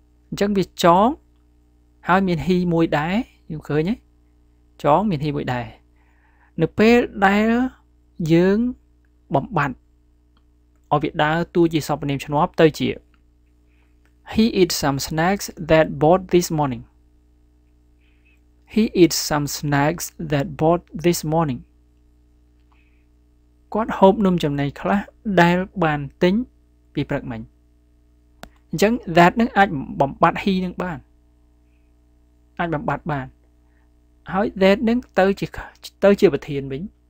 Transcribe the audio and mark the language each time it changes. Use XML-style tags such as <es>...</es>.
<km>អញ្ចឹងវាចងហើយមាន he មួយដែរយល់ឃើញទេចងមាន he មួយដែរនៅពេលដែលយើងបំបត្តិឲ្យវាដើរទូជាសព្វនាមឈ្នាប់ទៅជា</km> <en>He eat some snacks that bought this morning. He eats some snacks that bought this morning.</en> <km>គាត់ហូបនំចំណីខ្លះដែលបានទិញពីព្រឹកមិញអញ្ចឹង that នឹងអាចបំបត្តិ he នឹងបានអាចបំបត្តិបានហើយ that នឹងទៅជាប្រធានវិញ</km>